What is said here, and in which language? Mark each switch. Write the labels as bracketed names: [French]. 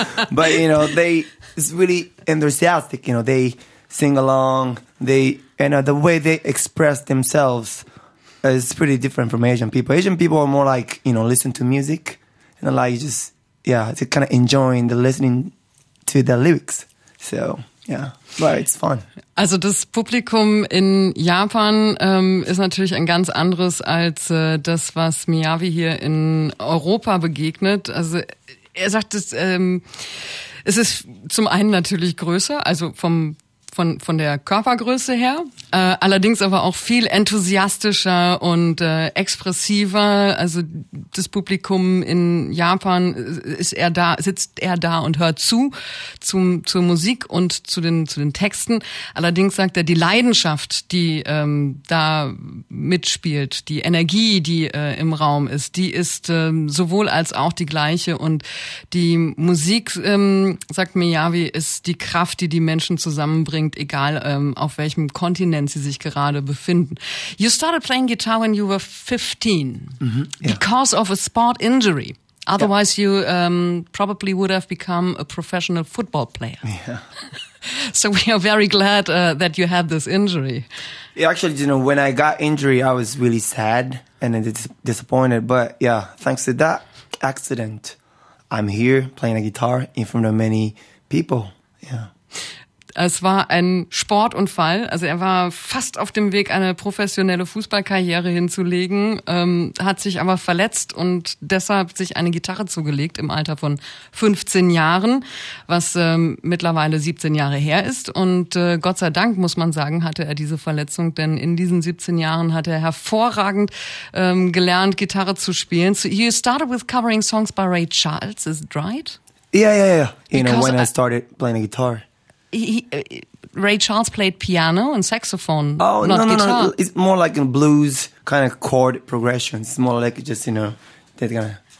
[English] But, you know, they is really enthusiastic. You know, they sing along. The way they express themselves is pretty different from Asian people. Asian people are more like, you know, listen to music. And like, just, yeah, to kind of enjoying the listening to the lyrics. So, yeah, but it's fun. [German] Also das Publikum in Japan ist natürlich ein ganz anderes als das, was Miyavi hier in Europa begegnet. Also er sagt, es ist zum einen natürlich größer, also von der Körpergröße her, allerdings aber auch viel enthusiastischer und expressiver. Also das Publikum in Japan sitzt er da und hört zur Musik und zu den Texten. Allerdings sagt er, die Leidenschaft, die da mitspielt, die Energie, die im Raum ist, die ist sowohl als auch die gleiche. Und die Musik, sagt Miyavi, ist die Kraft, die die Menschen zusammenbringt, egal auf welchem Kontinent sie sich gerade befinden. [English] You started playing guitar when you were 15, because of a sport injury. Otherwise, you probably would have become a professional football player. Yeah. So we are very glad that you had this injury. Yeah, actually, you know, when I got injury, I was really sad and disappointed. But yeah, thanks to that accident, I'm here playing a guitar in front of many people. Yeah. [German] Es war ein Sportunfall. Also er war fast auf dem Weg, eine professionelle Fußballkarriere hinzulegen, hat sich aber verletzt und deshalb sich eine Gitarre zugelegt im Alter von 15 Jahren, was mittlerweile 17 Jahre her ist. Und Gott sei Dank, muss man sagen, hatte er diese Verletzung, denn in diesen 17 Jahren hat er hervorragend gelernt, Gitarre zu spielen. [English] So you started with covering songs by Ray Charles, is it right? Yeah. You know, when I started playing the guitar. He, Ray Charles played piano and saxophone. Oh, not no, no, guitar. No. It's more like a blues kind of chord progression. It's more like just, you know, that kind of.